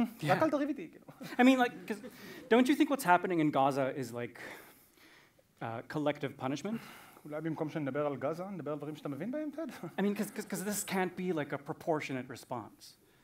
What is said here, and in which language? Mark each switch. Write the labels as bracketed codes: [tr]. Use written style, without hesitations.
[en] Yeah. I mean, like, cause don't you think what's happening in Gaza is like collective punishment? [he] אולי במקום שנדבר על גזה, נדבר על דברים שאתה מבין בהם, טד? [en] I mean, because this can't be like a proportionate response.